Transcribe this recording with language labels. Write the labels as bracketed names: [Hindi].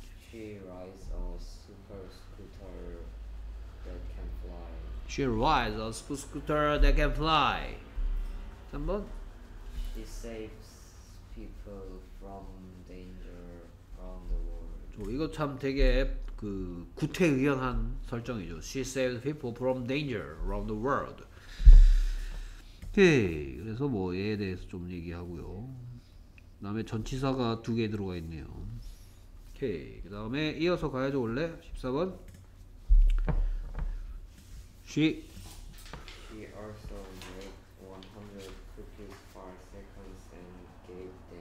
[English] She rides a super scooter that can fly. She rides a super scooter that can fly. [Korean] 3번 [English] She saves people from danger around the world. [Korean] 오, 이거 참 되게 그 구태의연한 설정이죠. [English] She saves people from danger around the world. [Korean] 오케이. 그래서 뭐 얘에 대해서 좀 얘기하고요. 그 다음에 전치사가 두 개 들어가 있네요. 오케이. 그 다음에 이어서 가야죠, 원래. 14번. [English] She away.